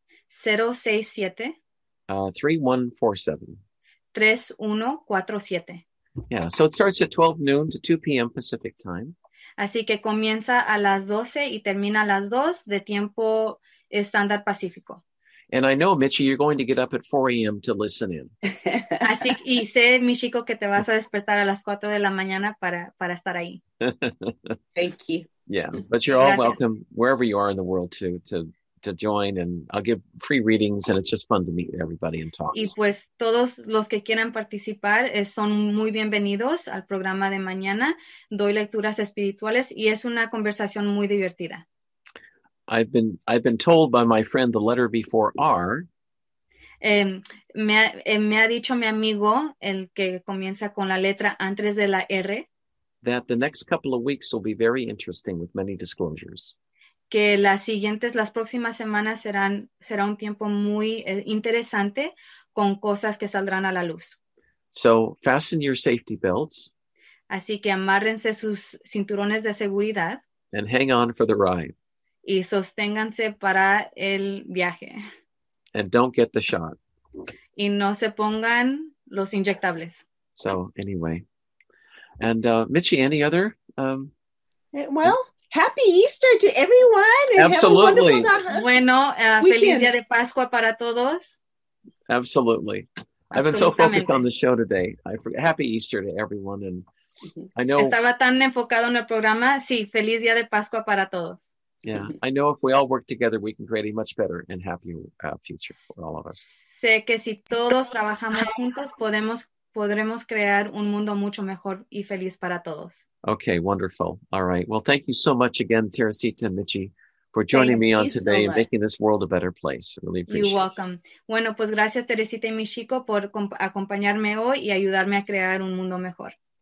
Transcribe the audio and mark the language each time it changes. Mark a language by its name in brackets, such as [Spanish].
[English] 067. 3147. 3147. Yeah, so it starts at 12 noon to 2 p.m. Pacific time. [Spanish] Así que comienza a las 12 y termina a las 2 de tiempo estándar pacífico. [English] And I know, Michi, you're going to get up at 4 a.m. to listen in. [Spanish] Así y sé, mi chico, que te vas a despertar a las 4 de la mañana para estar ahí. [English] Thank you. Yeah, but you're all Gracias. Welcome wherever you are in the world to join, and I'll give free readings, and it's just fun to meet everybody and talk. [Spanish] Y pues todos los que quieran participar son muy bienvenidos al programa de mañana. Doy lecturas espirituales y es una conversación muy divertida. [English] I've been told by my friend, the letter before R. [Spanish] Me ha dicho mi amigo, el que comienza con la letra antes de la R, [English] that the next couple of weeks will be very interesting with many disclosures. [Spanish] Que las próximas semanas será un tiempo muy interesante con cosas que saldrán a la luz. [English] So fasten your safety belts. [Spanish] Así que amárrense sus cinturones de seguridad. [English] And hang on for the ride. [Spanish] Y sosténganse para el viaje. [English] And don't get the shot. [Spanish] Y no se pongan los inyectables. [English] So anyway. And Michi, any other? Happy Easter to everyone. Absolutely. Have a wonderful [Spanish] feliz día de Pascua para todos. [English] Absolutely. I've been so focused on the show today. Happy Easter to everyone. And I know. [Spanish] Estaba tan enfocado en el programa. Sí, feliz día de Pascua para todos. [English] Yeah, I know if we all work together, we can create a much better and happier future for all of us. [Spanish] Sé que si todos trabajamos juntos, podremos crear un mundo mucho mejor y feliz para todos. [English] Okay, wonderful. All right. Well, thank you so much again, Teresita and Michi, for joining thank me on you today so and making this world a better place. I really appreciate it. You're welcome. [Spanish] Bueno, pues gracias, Teresita y Michiko, por acompañarme hoy y ayudarme a crear un mundo mejor.